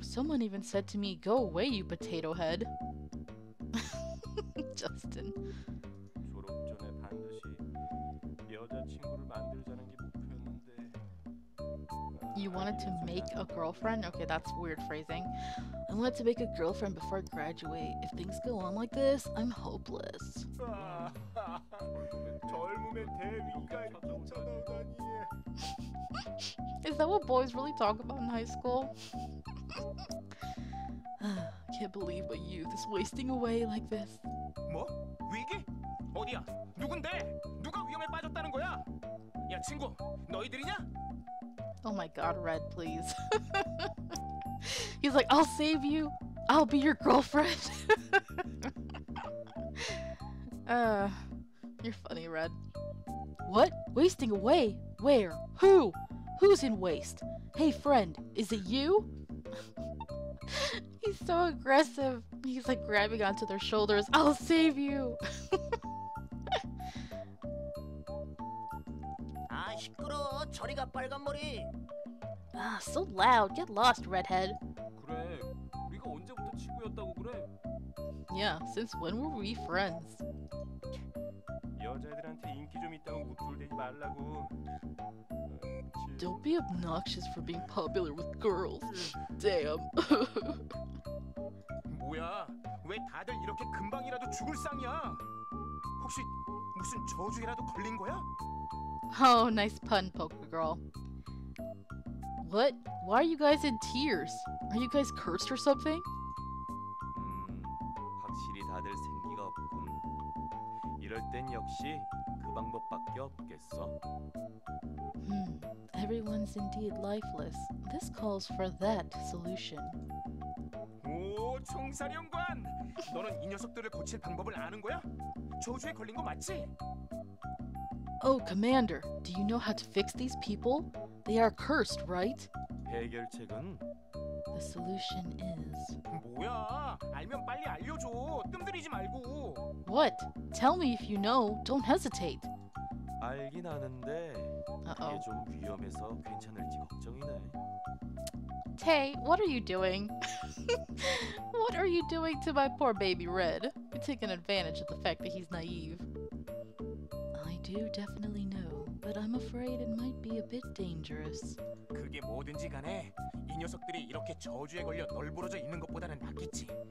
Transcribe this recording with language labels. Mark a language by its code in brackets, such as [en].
[en] Someone even said to me, go away, you potato head. Justin. [ko] 졸업 전에 반드시 여자친구를 만들자는 게 목표였는데... [en] You wanted to make a girlfriend? Okay, that's weird phrasing. I wanted to make a girlfriend before I graduate. If things go on like this, I'm hopeless. [ko] 젊음의 대미가 쫓아나다니. [en] Is that what boys really talk about in high school? I can't believe my youth is wasting away like this. [ko] 뭐? 위기? 어디야? 누군데? 누가 위험에 빠졌다는 거야? 야, 친구, 너희들이냐? [en] Oh my god, Red, please. He's like, I'll save you. I'll be your girlfriend. You're funny, Red. What? Wasting away? Where? Who? Who's in waste? Hey, friend, is it you? He's so aggressive. He's like grabbing onto their shoulders. I'll save you. [ko] 아, 시끄러워. 저리가 빨간 머리. [en] Ah, so loud. Get lost, redhead. [ko] 그래. 우리가 언제부터 친구였다고 그래? [en] Yeah, since when were we friends? [ko] 여자애들한테 인기 좀 있다고 구출되지 말라고. [en] Don't be obnoxious for being popular with girls. Damn. [ko] 뭐야? 왜 다들 이렇게 금방이라도 죽을 쌍이야? 혹시 무슨 저주에라도 걸린 거야? [en] Oh, nice pun, poker girl. What? Why are you guys in tears? Are you guys cursed or something? [ko] 확실히 다들 생기가 없군. 이럴 땐 역시 그 방법밖에 없겠어. [en] Everyone's indeed lifeless. This calls for that solution. [ko] 오, 총사령관! 너는 이 녀석들을 고칠 방법을 아는 거야? 저주에 걸린 거 맞지? [en] Oh, Commander, do you know how to fix these people? They are cursed, right? [ko] 해결책은? [en] The solution is... [ko] 뭐야? 알면 빨리 알려줘! 뜸들이지 말고! [en] What? Tell me if you know. Don't hesitate. [ko] 알긴 아는데... 그게 좀 위험해서 괜찮을지 걱정이네. [en] Tay, what are you doing? What are you doing to my poor baby Red? You're taking advantage of the fact that he's naive. I do definitely know, but I'm afraid it might be a bit dangerous. [ko] 그게 뭐든지 간에 이 녀석들이 이렇게 저주에 걸려 널브러져 있는 것보다는 낫겠지.